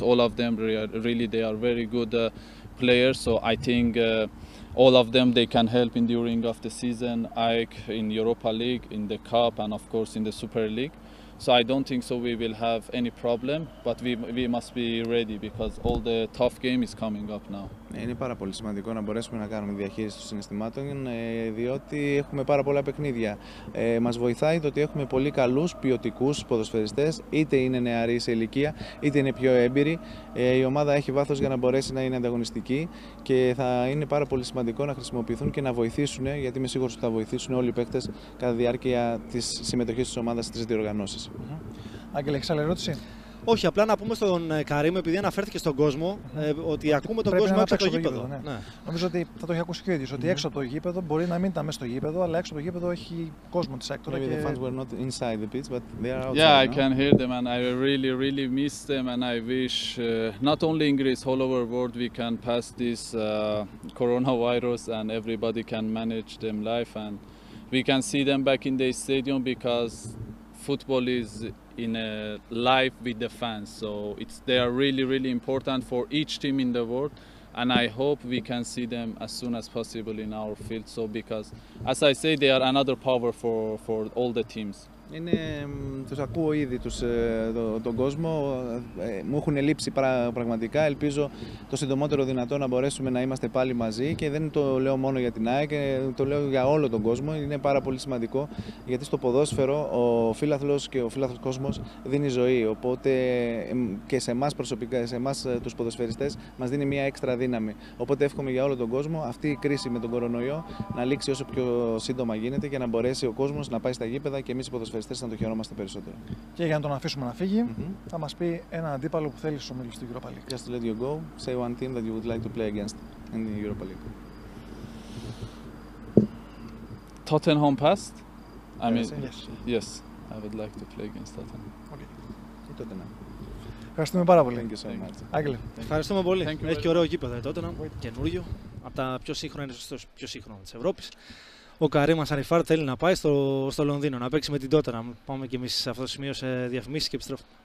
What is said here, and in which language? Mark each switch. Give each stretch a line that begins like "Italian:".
English: All of them really are very good players. So I think all of them they can help in during of the season. Ike in Europa League, in the Cup, and of course in the Super League. So I don't think so we will have any problem, but we must be ready because all the tough game is coming up now.
Greek: Είναι πάρα πολύ σημαντικό να μπορέσουμε να κάνουμε διαχείριση των συναισθημάτων, διότι έχουμε πάρα πολλά παιχνίδια. Μας βοηθάει το ότι έχουμε πολύ καλούς ποιοτικούς ποδοσφαιριστές, είτε είναι νεαροί σε ηλικία, είτε είναι πιο έμπειροι. Η ομάδα έχει βάθος για να μπορέσει να είναι ανταγωνιστική και θα είναι πάρα πολύ σημαντικό να χρησιμοποιηθούν και να βοηθήσουν, γιατί είμαι σίγουρος ότι θα βοηθήσουν όλοι οι παίκτες κατά τη διάρκεια της συμμετοχής της ομάδας στις διοργανώσεις. Άγγελε, έχεις άλλη ερώτηση? Όχι, απλά να πούμε στον Καρύμ, επειδή αναφέρθηκε στον κόσμο, ότι ακούμε τον κόσμο έξω από το γήπεδο. Ναι. Νομίζω ότι θα το έχει ακούσει και ο ίδιος, ότι έξω από το γήπεδο μπορεί να μην ήταν μέσα στο γήπεδο, αλλά έξω από το γήπεδο έχει κόσμο της άκτορα.
English: Maybe the fans were not inside the pitch, but they are outside. Yeah, no? I can hear them and I really, really miss them and I wish not only in Greece, all over the world we can pass this coronavirus and everybody can manage them life and we can see them back in the stadium because football is in a life with the fans, so they are really, really important for each team in the world, and I hope we can see them as soon as possible in our field. So because, as I say, they are another power for all the teams.
Greek: Είναι, τους ακούω ήδη τον κόσμο, μου έχουν λείψει πραγματικά, ελπίζω το συντομότερο δυνατό να μπορέσουμε να είμαστε πάλι μαζί και δεν το λέω μόνο για την ΑΕΚ, το λέω για όλο τον κόσμο, είναι πάρα πολύ σημαντικό γιατί στο ποδόσφαιρο ο φίλαθλος και ο φίλαθλος κόσμος δίνει ζωή, οπότε και σε εμάς προσωπικά, σε εμάς τους ποδοσφαιριστές μας δίνει μια έξτρα δύναμη, οπότε εύχομαι για όλο τον κόσμο αυτή η κρίση με τον κορονοϊό να λήξει όσο πιο σύντομα γίνεται και να μπορέσει ο κόσμος να πάει στα γήπεδα και εμείς ευχαριστές να το χαιρόμαστε περισσότερο. Και για να τον αφήσουμε να φύγει, θα μας πει ένα αντίπαλο που θέλει στους ομίλους του Europa League.
English: Just to let you go, say one team that you would like to play against in the Europa League. Tottenham past? I mean, yes. Yes, I would like to play against Tottenham. Okay.
Greek: Και Tottenham. Ευχαριστούμε πάρα πολύ.
English: Thank you so much.
Greek: Άγγελε. Ευχαριστούμε πολύ. Έχει και ωραίο γήπεδο η Tottenham, καινούριο. Από τα πιο σύγχρονα, πιο σύγχρονα της Ευρώπης. Ο Καρύμ Ανσαριφάρ θέλει να πάει στο Λονδίνο, να παίξει με την Τότεναμ. Πάμε και εμείς σε αυτό το σημείο σε διαφημίσεις και επιστρέφουμε.